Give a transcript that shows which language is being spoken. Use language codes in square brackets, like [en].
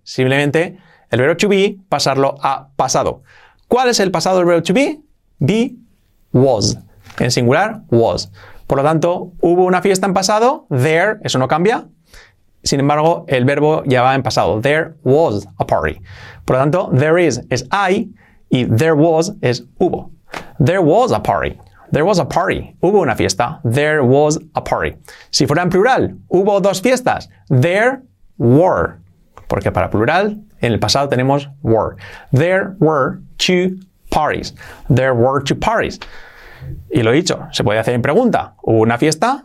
[es] Simplemente el verbo to be, pasarlo a pasado. ¿Cuál es el pasado del verbo to be? Be, was. En singular, was. Por lo tanto, hubo una fiesta en pasado, there, eso no cambia. Sin embargo, el verbo ya va en pasado. [en] There was a party. [es] Por lo tanto, there is es hay y there was es hubo. [en] There was a party. There was a party. [es] Hubo una fiesta. [en] There was a party. [es] Si fuera en plural, hubo dos fiestas. There were. Porque para plural, en el pasado tenemos were. [en] There were two parties. There were two parties. [es] Y lo dicho, se puede hacer en pregunta. ¿Hubo una fiesta?